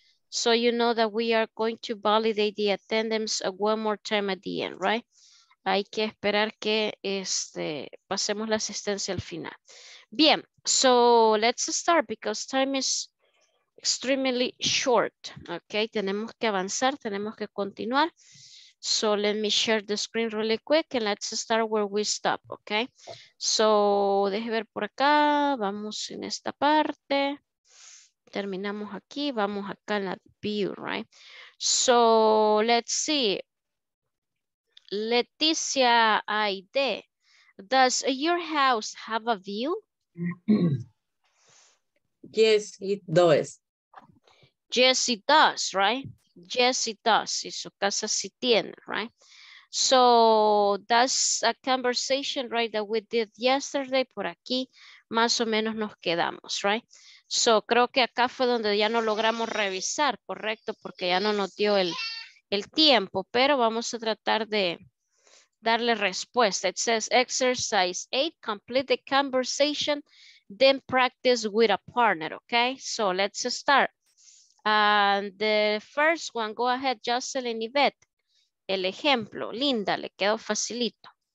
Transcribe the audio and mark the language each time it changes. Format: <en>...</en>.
<en>So you know that we are going to validate the attendance one more time at the end, right?</en> <es>Hay que esperar que pasemos la asistencia al final.</es> <en>Bien, so let's start because time is extremely short. Okay,</en> <es>tenemos que avanzar, tenemos que continuar.</es> <en>So let me share the screen really quick and let's start where we stop, okay?</en> <es>So deje ver por acá, vamos en esta parte. Terminamos aquí, vamos acá en la view, right?</es> <en>So let's see. Leticia Aide, does your house have a view? Yes, it does. Yes, it does, right? Yes, it does.</en> <es>Y su casa sí tiene,</es> <en>right? So that's a conversation, right, that we did yesterday.</en> <es>Por aquí más o menos nos quedamos, right? So creo que acá fue donde ya no logramos revisar, correcto, porque ya no nos dio el tiempo, pero vamos a tratar de darle respuesta.</es> <en>It says exercise 8, complete the conversation, then practice with a partner, okay? So let's start. The first one, go ahead, Jocelyn Yvette.</en> <es>El ejemplo, Linda, le quedó facilito.</es>